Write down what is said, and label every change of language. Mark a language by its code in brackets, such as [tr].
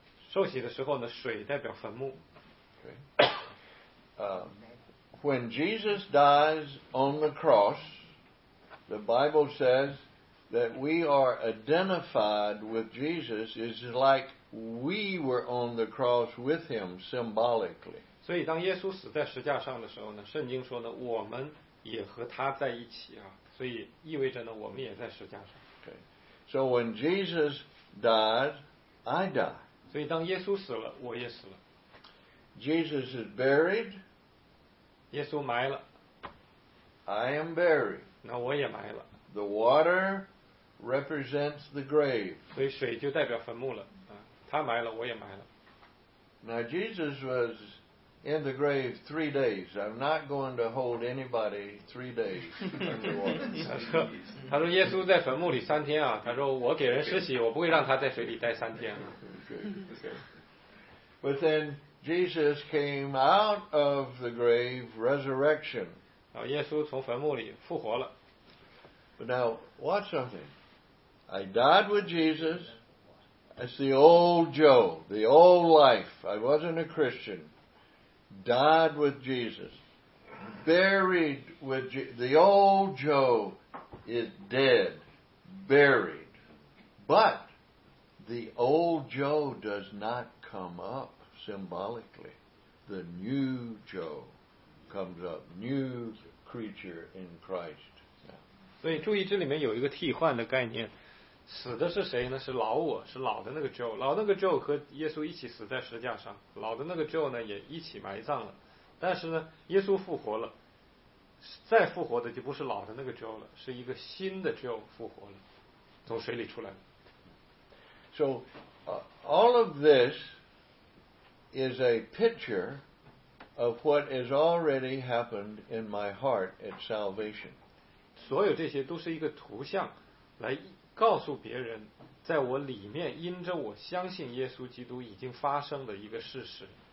[zh] 受洗的时候呢，水代表坟墓。 [en] When Jesus dies on the cross, the Bible says that we are identified with Jesus is like we were on the cross with him symbolically. [zh] 所以当耶稣死在十架上的时候呢，圣经说呢，我们也和他在一起啊，所以意味着呢，我们也在十架上。 [en] Okay. So when Jesus died, I died. [zh] 所以当耶稣死了，我也死了。 [en] Jesus is buried. [zh] 耶稣埋了。 [en] I am buried. [zh] 那我也埋了。 [en] The water represents the grave. [zh] 所以水就代表坟墓了、啊、他埋了我也埋了。 [en] Now Jesus was in the grave 3 days. I'm not going to hold anybody 3 days underwater. [zh] 他说耶稣在坟墓里三天啊，他说我给人施洗，我不会让他在水里待三天、啊、 [en] But then Jesus came out of the grave resurrection. [zh] 然后耶稣从坟墓里复活了。 [en] But now, watch something. I died with Jesus. That's the old Joe, the old life. I wasn't a Christian. Died with Jesus. Buried with Jesus. The old Joe is dead. Buried. But the old Joe does not come up symbolically. The new Joe comes up. New creature in Christ. [zh] 所以注意这里面有一个替换的概念，死的是谁呢？是老我，是老的那个 Joe。老的那个 Joe 和耶稣一起死在十架上，老的那个 Joe 呢也一起埋葬了，但是呢耶稣复活了，再复活的就不是老的那个 Joe 了，是一个新的 Joe 复活了，从水里出来了。 [en] So all of this is a picture of what has already happened in my heart at salvation. [zh] 所有这些都是一个图像，来告诉别人，在我里面因着我相信耶稣基督已经发生的一个事实。